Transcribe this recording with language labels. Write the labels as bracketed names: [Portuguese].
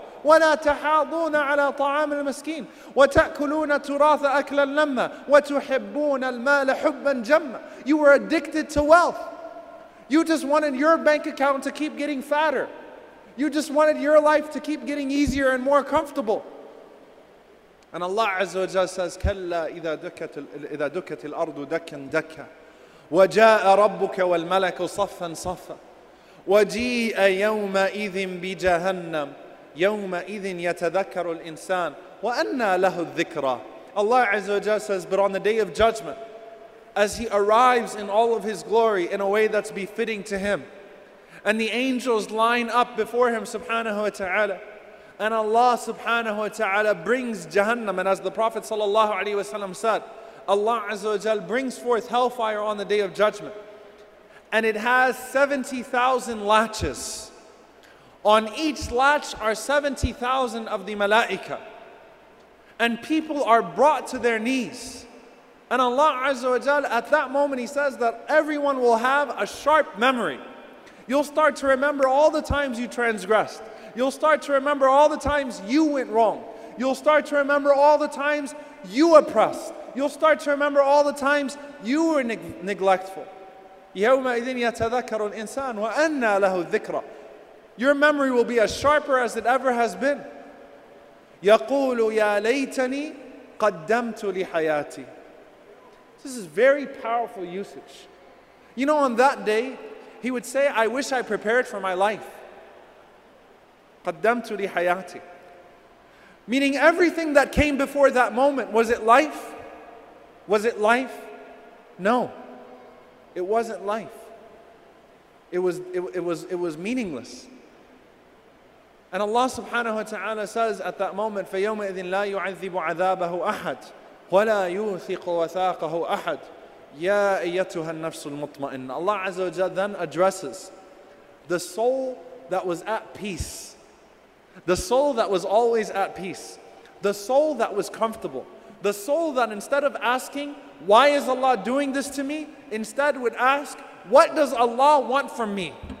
[Arabic] وَلَا تَحَاضُونَ عَلَى طَعَامِ الْمَسْكِينِ وَتَأْكُلُونَ تُرَاثَ أَكْلًا لَمَّا وَتُحِبُّونَ الْمَالَ حُبًّا جَمَّا. [English] You were addicted to wealth. You just wanted your bank account to keep getting fatter. You just wanted your life to keep getting easier and more comfortable. And Allah Azza wa Jalla says, [Arabic] كَلَّا إِذَا دُكَّتِ الْأَرْضُ دَكًّا دَكًّا وَجَاءَ رَبُّكَ وَالْمَلَكُ صَفًّا صَفًّا وَجِيءَ يَوْمَئِذٍ بِجَهَنَّمَ يَوْمَئِذٍ يَتَذَكَّرُ الْإِنسَانُ وَأَنَّا لَهُ الذِّكْرَى. [English] Allah Azza wa Jalla says, but on the day of judgment, as he arrives in all of his glory in a way that's befitting to him, and the angels line up before him subhanahu wa ta'ala, and Allah subhanahu wa ta'ala brings Jahannam, and as the Prophet sallallahu alayhi wa sallam said, Allah Azza wa Jalla brings forth hellfire on the day of judgment, and it has 70,000 latches. On each latch are 70,000 of the malaika. And people are brought to their knees. And Allah Azza wa Jal, at that moment, he says that everyone will have a sharp memory. You'll start to remember all the times you transgressed. You'll start to remember all the times you went wrong. You'll start to remember all the times you oppressed. You'll start to remember all the times you were neglectful. [Arabic] يَوْمَ إِذِنْ يَتَذَكَّرُ الْإِنسَانُ وَأَنَّا لَهُ الذِّكْرَ. [English] Your memory will be as sharper as it ever has been. [Arabic] يقول يا ليتني قدمت لحياتي. [English] This is very powerful usage. You know, on that day, he would say, I wish I prepared for my life. [Arabic] قدمت لحياتي. [English] Meaning everything that came before that moment, was it life? Was it life? No, it wasn't life. It was meaningless. And Allah subhanahu wa ta'ala says at that moment, [Arabic] فَيَوْمَئِذٍ لَا يُعَذِّبُ عَذَابَهُ أَحَدٌ وَلَا يُوثِقُ وَثَاقَهُ أَحَدٌ يَا أَيَّتُهَا النَّفْسُ الْمُطْمَئِنَّ. [English] Allah azza wa jalla then addresses the soul that was at peace, the soul that was always at peace, the soul that was comfortable, the soul that instead of asking, why is Allah doing this to me? Instead would ask, what does Allah want from me?